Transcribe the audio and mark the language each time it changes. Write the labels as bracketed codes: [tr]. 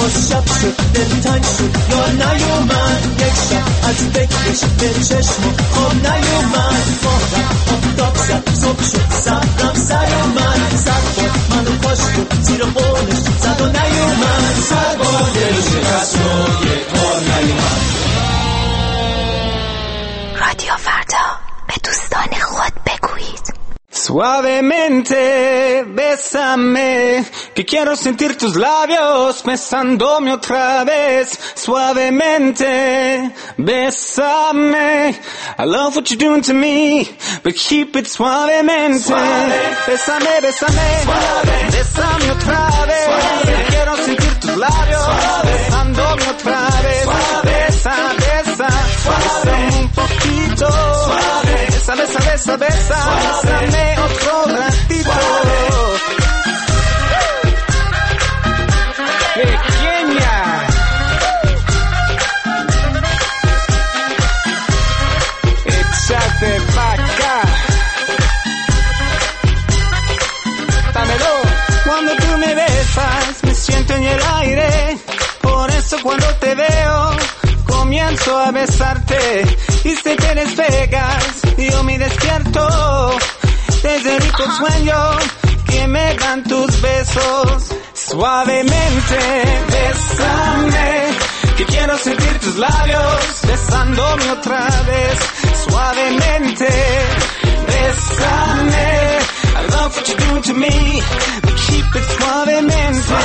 [fa] شب شد دل تنگ شد یا نیومد، یک شب از فکرش به چشمو خواب نیومد، ماهم افتاب شد صبح شد سرم سر اومد، سر بار منو پاش کن زیر قولش زد و نیومد، سر بار دل شکست و یک بار نیومد. رادیو فردا، به دوستان خود بگویید. [es] Suavemente bésame, que quiero sentir tus labios besándome otra vez. Suavemente bésame, [en] I love what you're doing to me, but keep it suavemente. [es] Suave. Bésame, bésame, suave. Bésame otra vez, suave. Quiero sentir tus labios suave. Besándome otra vez, suave. Bésame, bésame, suave. Bésame un poquito, suave. Besa, besa, besa, besa, besame otro ratito. Pequeña. Échate pa' acá. Dámelo. Cuando tú me besas, me siento en el aire. Por eso cuando te veo, comienzo a besarte. Y si te despegas, yo me despierto desde el rico sueño que me dan tus besos. Suavemente bésame, que quiero sentir tus labios besándome otra vez. Suavemente bésame, [en] I love what you're doing to me, but keep it suavemente.